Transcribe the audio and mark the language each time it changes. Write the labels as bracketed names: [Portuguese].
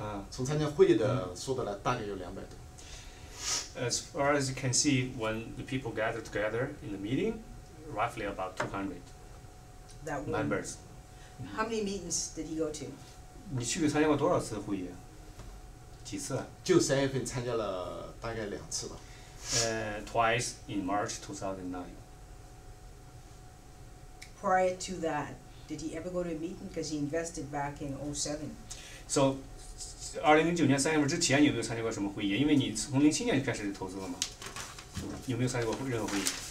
[Chinese] 从参加会的说的来大概有200多。 [English] As far as you can see, when the people gather together in the meeting, roughly about 200 that members. How many meetings did he go to? [Chinese] 你去参加过多少次会议? 几次? 就三月份参加了大概两次吧。 [English] Twice in March 2009. Prior to that, did he ever go to a meeting? Because he invested back in 07. [Chinese] So, 2009年3月份之前有没有参加过什么会议? 因为你从07年就开始投资了嘛。有没有参加过任何会议?